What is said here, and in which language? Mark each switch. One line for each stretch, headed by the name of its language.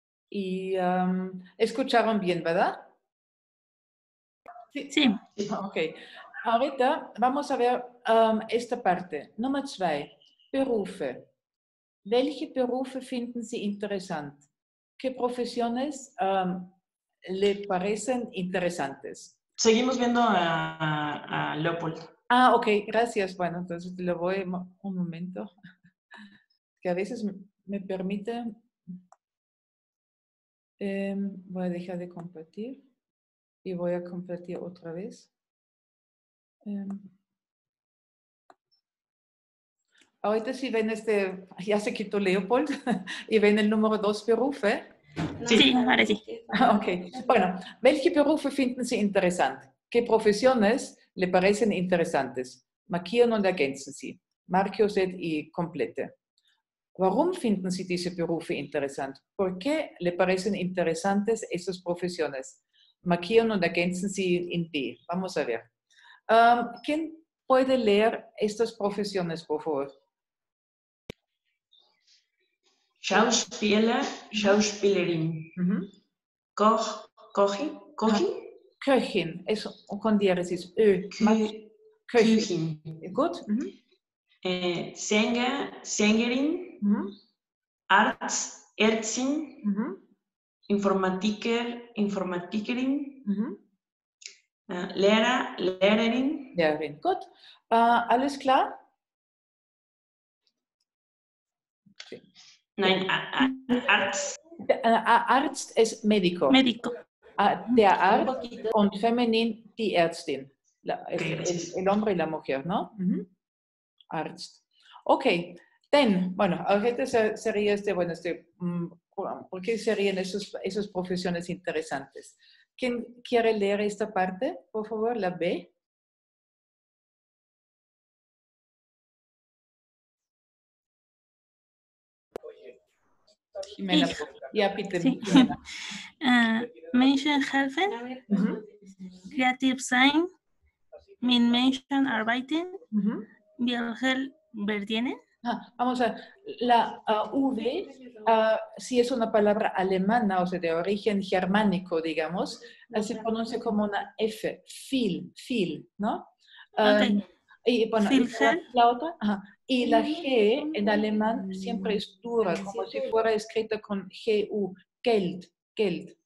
Spanish: Y escucharon bien, ¿verdad? Sí. Sí. Okay. Ahorita vamos a ver esta parte.
German: Nummer 2. Berufe. Welche Berufe finden Sie interessant?
Spanish: ¿Qué profesiones le parecen interesantes? Seguimos viendo a Leopold. Ah, ok, gracias. Bueno, entonces le voy un momento. Que a veces me permite. Voy a dejar de compartir. Y voy a compartir otra vez. Ahorita sí ven ya se quitó Leopold. Y ven el número 2, Beruf, ¿eh? Sí, ahora sí. Okay. Bueno,
German: ¿welche Berufe finden Sie interessant?
Spanish: ¿Qué profesiones le parecen interesantes?
German: Markieren und ergänzen Sie.
Spanish: Marque usted y complete.
German: ¿Warum finden Sie diese Berufe interessant?
Spanish: ¿Por qué le parecen interesantes esas profesiones?
German: Markieren und ergänzen Sie in B.
Spanish: Vamos a ver. ¿Quién puede leer estas profesiones, por favor?
German: Schauspieler, Schauspielerin. Koch, Kochi, Kochi?
Spanish: Köchin, es con diéresis.
German: Köchin. Gut. Sänger, Sängerin. Arzt, Ärztin. Informatiker, Informatikerin. Lehrer, Lehrerin. Lehrerin, gut. Alles klar? Nein, Arzt ist Medico.
Spanish: Medico.
German: Der Arzt und feminin die Ärztin.
Spanish: El hombre y la mujer, ¿no? Arzt. Okay, denn, bueno, ahorita sería este, bueno, este, ¿por qué serían esas profesiones interesantes? ¿Quién quiere leer esta parte, por favor, la B?
German: Jimena, ja, bitte.
Spanish: Sí.
German: Menschen helfen, kreativ sein, mit Menschen arbeiten,
Spanish: viajar,
German: verdienen.
Spanish: Vamos a la V, si es una palabra alemana, o sea, de origen germánico, digamos, se pronuncia como una F, viel, viel, ¿no? Okay. Y bueno, la otra. Y la G en alemán siempre es dura, como si fuera escrita con G-U, Geld, Geld.